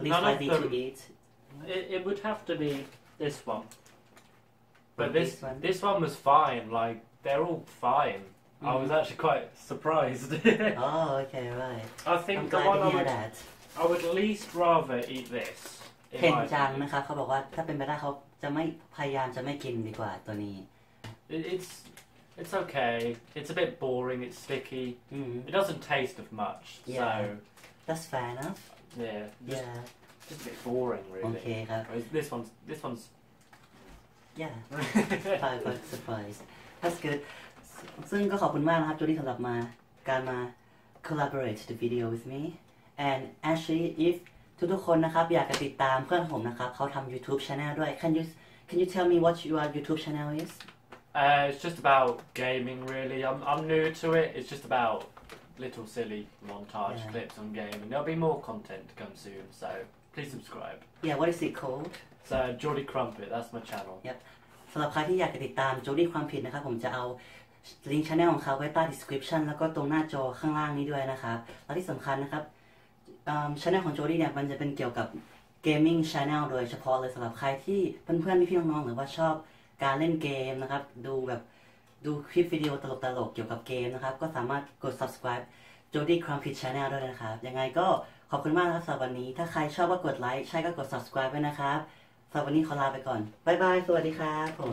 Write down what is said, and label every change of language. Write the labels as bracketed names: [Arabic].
[English] Least likely to eat. It would have to be this one, but this one was fine. Like they're all fine. Mm-hmm. I was actually quite surprised. oh, okay, right. I think I'm the glad one to hear that. I would least rather eat this. [Thai] เห็นจังนะครับเขาบอกว่าถ้าเป็นไปได้เขาจะไม่พยายามจะไม่กินดีกว่าตัวนี้ [English] It's okay. It's a bit boring. It's sticky. Mm-hmm. It doesn't taste of much. Yeah. So that's fair enough. Yeah. Yeah. It's a bit boring, really. Yeah. I got surprised. That's good. [Thai] ซึ่งก็ขอบคุณมากนะครับจูดี้สำหรับมาการมา [English] collaborate the video with me. And actually, if [Thai] ทุกๆคนนะครับอยากจะติดตามเพื่อนผมนะครับเขาทำ [English] YouTube channel ด้วย Can you tell me what your YouTube channel is? It's just about gaming, really. I'm new to it. It's just about little silly montage clips on gaming. There'll be more content to come soon, so. Please subscribe. Yeah, what is it called? So, Jordy Crumpet, that's my channel. Yep. [Thai] สำหรับใครที่อยากติดตาม Jordy Crumpet นะครับผมจะเอาลิงก์ channel ของเขาไว้ใต้ description แล้วก็ตรงหน้าจอข้างล่างนี้ด้วยนะครับและที่สำคัญนะครับ channel ของ Jordy เนี่ยมันจะเป็นเกี่ยวกับ gaming channel โดยเฉพาะเลยสำหรับใครที่เพื่อนๆพี่ๆน้องๆหรือว่าชอบการเล่นเกมนะครับดูแบบดูคลิปวิดีโอตลกๆเกี่ยวกับเกมนะครับก็สามารถกด subscribe Jordy Crumpet channel ด้วยนะครับยังไงก็ขอบคุณมากครับสำหรับวันนี้ถ้าใครชอบก็กดไลค์ใช่ก็กด subscribe ไว้นะครับสำหรับวันนี้ขอลาไปก่อนบ๊ายบายสวัสดีครับผม